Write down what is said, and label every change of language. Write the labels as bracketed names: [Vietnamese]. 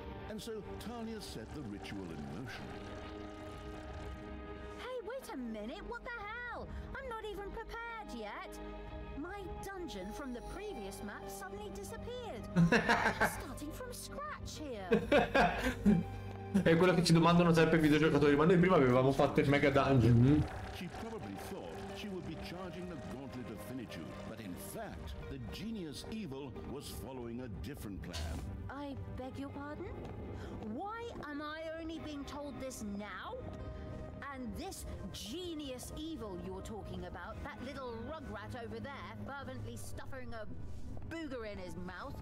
[English] And so Talia set the ritual in motion. Hey, wait a minute, what the hell? I'm not even prepared yet. My dungeon from the previous map suddenly disappeared. Starting from scratch here. [Italian] È quello che ci domandano sempre i videogiocatori, ma noi prima avevamo fatto il mega dungeon. Mm-hmm. [English] She probably thought she would be charging the gauntlet of finitude, but in fact, the genius evil was following a different plan. I beg your pardon? Why am I only being told this now? And this genius evil you're talking about, that little rugrat over there, fervently stuffing a booger in his mouth.